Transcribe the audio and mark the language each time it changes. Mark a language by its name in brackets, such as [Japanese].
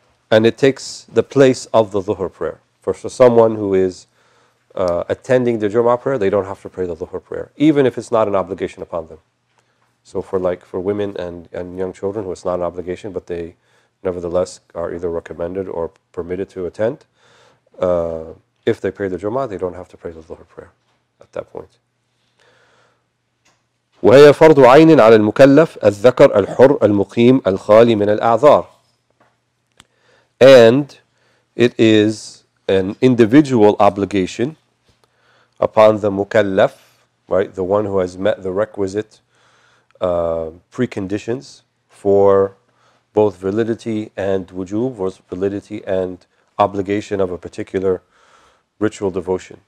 [English] And it takes the place of the Dhuhr prayer. For someone who is attending the Jum'ah prayer, they don't have to pray the Dhuhr prayer, even if it's not an obligation upon them. So for women and young children who it's not an obligation, but they nevertheless are either recommended or permitted to attend, if they pray the Jum'ah, they don't have to pray the Dhuhr prayer at that point. [Arabic] وهي فرض عين على المكلف الذكر الحر المقيم الخالي من الأعذار. [English] And it is an individual obligation upon the mukallaf, right, the one who has met the requisite preconditions for both validity and wujub, or validity and obligation of a particular ritual devotion.